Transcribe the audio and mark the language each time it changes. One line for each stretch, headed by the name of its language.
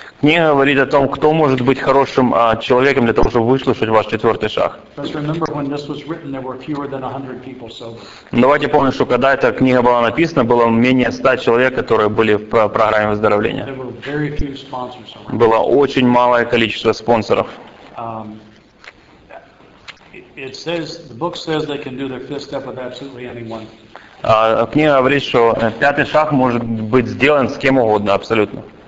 Russian: Книга говорит о том, кто может быть хорошим человеком для того, чтобы выслушать ваш четвертый шаг.
English: Just remember when this was written, there were fewer than 100 people sober.
Russian: Давайте помним, что когда эта книга была написана, было менее 100 человек, которые были в программе выздоровления.
English: There were very few sponsors.
Russian: Было очень малое количество спонсоров.
English: It says the book says they can do their fifth step with absolutely anyone.
Russian: Книга говорит, что пятый шаг может быть сделан с кем угодно, абсолютно.